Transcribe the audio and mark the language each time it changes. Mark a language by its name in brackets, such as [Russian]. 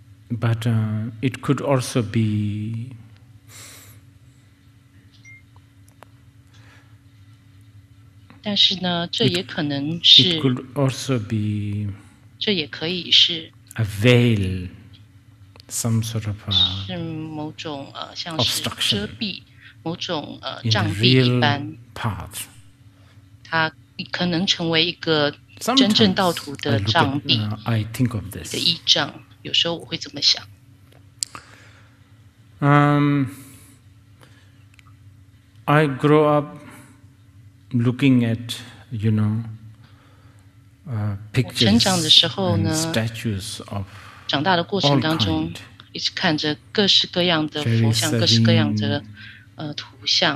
[English] But it could also be a veil. Some sort of obstruction in the real path. [Chinese] 它可能成为一个真正道途的障壁。 [English] I think of this. [Chinese] 的依仗，有时候我会怎么想？ [English] I grew up looking at, you know, pictures and statues of all kinds. [Chinese] 一直看着各式各样的佛像，各式各样的图像，